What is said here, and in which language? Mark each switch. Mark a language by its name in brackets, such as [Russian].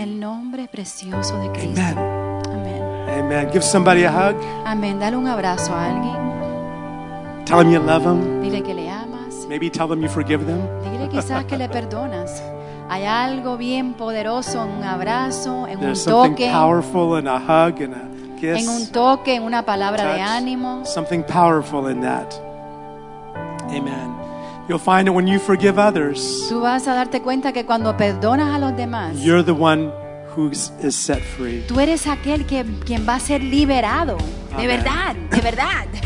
[Spanish] En el nombre precioso de Cristo. [English] Amen. Amen. Give somebody a hug. [Spanish] Amen. Dale un abrazo a alguien. [English] Tell them you love them. [Spanish] Dile que le amas. [English] Maybe tell them you forgive them. [Spanish] Dile quizás que le perdonas. Hay algo bien poderoso en un abrazo, en un toque. [English] There's something powerful in a hug and a kiss. [Spanish] En un toque, en una palabra de ánimo. [English] Something powerful in that. Amen. You'll find it when you forgive others. [Spanish] Tú vas a darte cuenta que cuando perdonas a los demás. [English] You're the one who is set free. [Spanish] Tú eres aquel quien va a ser liberado. Amen. De verdad, de verdad.